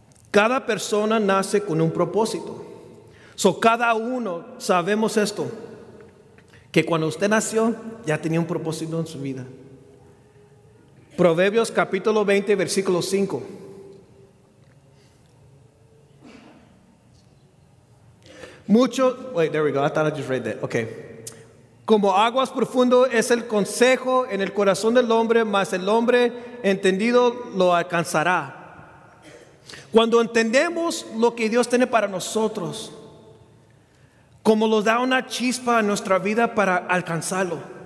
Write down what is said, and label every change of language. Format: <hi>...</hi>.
<es>Cada persona nace con un propósito. So cada uno sabemos esto, que cuando usted nació ya tenía un propósito en su vida. Proverbios capítulo 20, versículo 5.</es> <en>Muchos, wait, there we go. I thought I just read that. Okay.</en> <es>Como aguas profundo es el consejo en el corazón del hombre, mas el hombre entendido lo alcanzará. Cuando entendemos lo que Dios tiene para nosotros, como nos da una chispa a nuestra vida para alcanzarlo.</es>